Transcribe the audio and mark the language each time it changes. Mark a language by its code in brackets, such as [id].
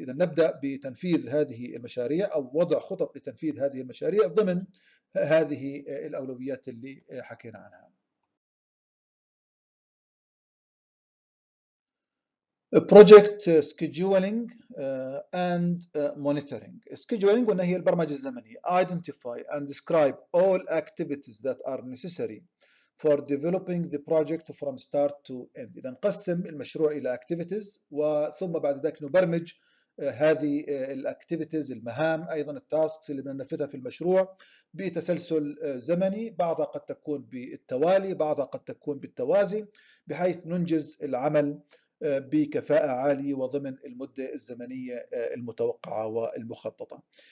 [ar] إذا نبدأ بتنفيذ هذه المشاريع أو وضع خطط لتنفيذ هذه المشاريع ضمن هذه الأولويات اللي حكينا عنها. [en] Project scheduling and monitoring. [ar] Scheduling هنا هي البرمجة الزمنية. [en] Identify and describe all activities that are necessary for developing the project from start to end. [ar] إذا نقسم المشروع إلى activities وثم بعد ذلك نبرمج هذه الاكتيفيتيز، المهام ايضا التاسكس اللي بدنا ننفذها في المشروع بتسلسل زمني، بعضها قد تكون بالتوالي، بعضها قد تكون بالتوازي، بحيث ننجز العمل بكفاءة عالية وضمن المدة الزمنية المتوقعة والمخططة.